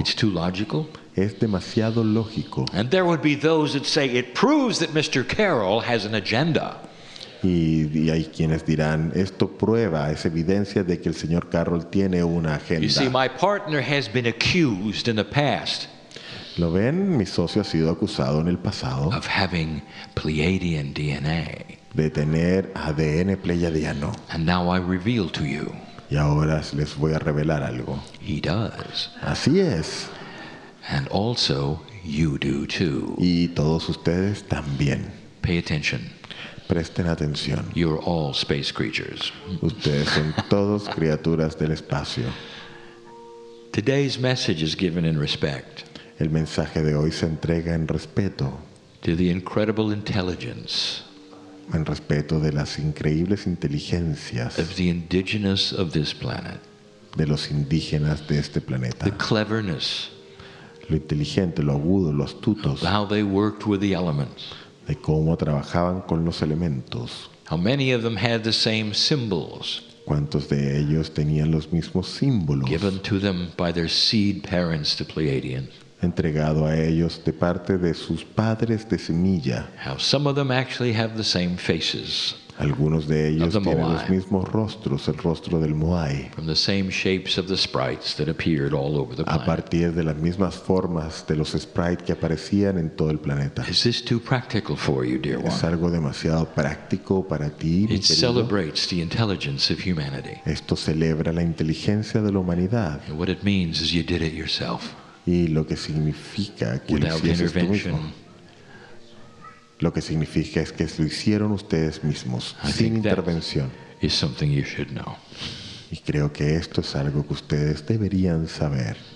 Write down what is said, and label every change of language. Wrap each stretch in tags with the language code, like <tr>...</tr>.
<en>It's too logical.</en> <es>Es demasiado lógico.</es> <en>And there would be those that say it proves that Mr. Carroll has an agenda.</en> <es>Y hay quienes dirán, esto prueba, es evidencia de que el señor Carroll tiene una agenda.</es> <en>You see, my partner has been accused in the past.</en> <es>¿Lo ven? Mi socio ha sido acusado en el pasado.</es> <en>Of having Pleiadian DNA.</en> <es>De tener ADN pleiadiano.</es> <en>And now I reveal to you.</en> <es>Y ahora les voy a revelar algo.</es> <en>He does.</en> <es>Así es.</es> <en>And also you do too.</en> <es>Y todos ustedes también.</es> <en>Pay attention.</en> <es>Presten atención.</es> <en>You're all space creatures.</en> <es>Ustedes son todos criaturas del espacio.</es> <en>Today's message is given in respect.</en> <es>El mensaje de hoy se entrega en respeto.</es> <en>To the incredible intelligence.</en> <es>En respeto de las increíbles inteligencias.</es> <en>Of the indigenous of this planet.</en> <es>De los indígenas de este planeta.</es> <en>The cleverness.</en> <es>Lo inteligente, lo agudo, lo astuto.</es> <en>How they worked with the elements.</en> <es>De cómo trabajaban con los elementos.</es> <en>How many of them had the same symbols.</en> <es>¿Cuántos de ellos tenían los mismos símbolos?</es> <en>Given to them by their seed parents, the Pleiadians.</en> <es>Entregado a ellos de parte de sus padres de semilla.</es> <en>How some of them actually have the same faces.</en> <es>Algunos de ellos tienen los mismos rostros, el rostro del Moai.</es> <en>From the same shapes of the sprites that appeared all over the planet.</en> <es>A partir de las mismas formas de los sprites que aparecían en todo el planeta.</es> <en>Is this too practical for you, dear one?</en> <es>Es algo demasiado práctico para ti, mi querido.</es> <en>It celebrates the intelligence of humanity.</en> <es>Esto celebra la inteligencia de la humanidad.</es> <en>And what it means is you did it yourself.</en> <es>Y lo que significa que lo hicieses tú mismo. Lo que significa es que lo hicieron ustedes mismos, sin intervención.</es> <en>Is something you should know.</en> <es>Y creo que esto es algo que ustedes deberían saber.</es>